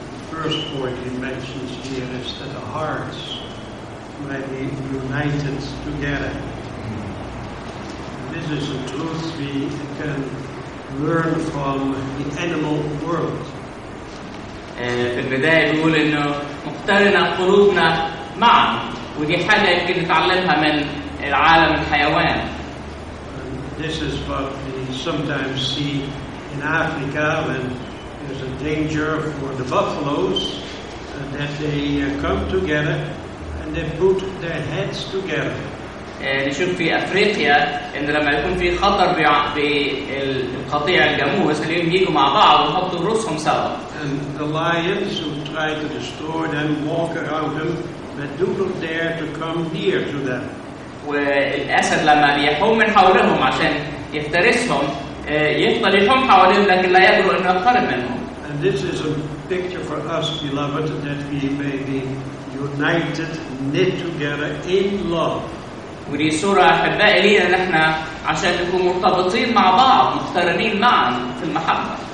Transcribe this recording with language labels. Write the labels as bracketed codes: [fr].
[en] First point he mentions here is that the hearts may be united together. This is a truth we can learn from the animal world. [ar] في البداية بيقول إنه مقترنة قلوبنا معا، ودي حاجة يمكن نتعلمها من العالم الحيوان. [en] This is what we sometimes see in Africa when there's a danger for the buffaloes, and that they come together and they put their heads together. [ar] نشوف في أفريقيا إن لما يكون في خطر بالقطيع الجاموس اللي يجيكوا مع بعض ويحطوا رؤوسهم سوا. [en] And the lions who try to destroy them walk around them, but do not dare to come near to them. [ar] والأسد لما بيحوم من حولهم عشان يفترسهم يفضل يحوم حولهم لكن لا يبرؤ إنه يقترب منهم. [en] And this is a picture for us, beloved, that we may be united, knit together in love. [ar] ودي صورة أحبائي لينا نحن عشان نكون مرتبطين مع بعض مقترنين معا في المحبة.